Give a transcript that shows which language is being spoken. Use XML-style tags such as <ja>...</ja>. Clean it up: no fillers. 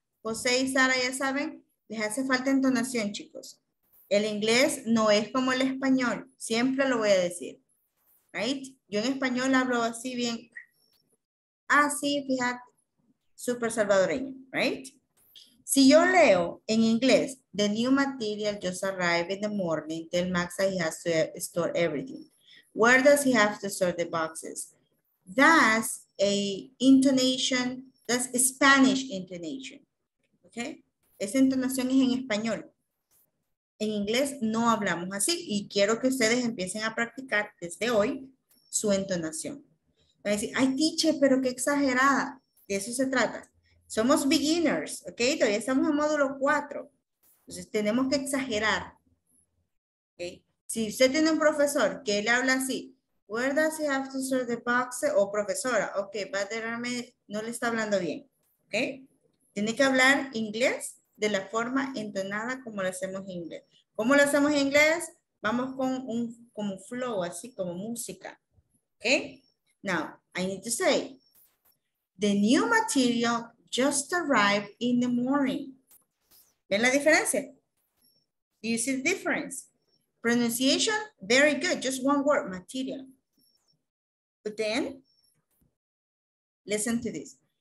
<es>José y Sara ya saben, les hace falta entonación, chicos. El inglés no es como el español, siempre lo voy a decir. Right? Yo en español hablo así bien, así, fíjate, súper salvadoreño.</es> <en>Right? Si yo leo en inglés, the new material just arrived in the morning, tell Max that he has to store everything. Where does he have to store the boxes? That's a intonation, that's Spanish intonation. Okay?</en> <es>Esa entonación es en español. En inglés no hablamos así y quiero que ustedes empiecen a practicar desde hoy su entonación. Van a decir, ay, teacher, pero qué exagerada. De eso se trata. Somos beginners, ¿ok? Todavía estamos en módulo 4. Entonces tenemos que exagerar. ¿Ok? Si usted tiene un profesor que le habla así, where does he have to serve the box? O profesora, ok, but there are many, no le está hablando bien. ¿Ok? Tiene que hablar inglés de la forma entonada como lo hacemos en inglés. ¿Cómo lo hacemos en inglés? Vamos con un como flow, así como música. ¿Ok?</es> <en>Now, I need to say, the new material just arrived in the morning. ¿Ven la diferencia? Do you see the difference? Pronunciation, very good. Just one word, material. But then, listen to this.</en>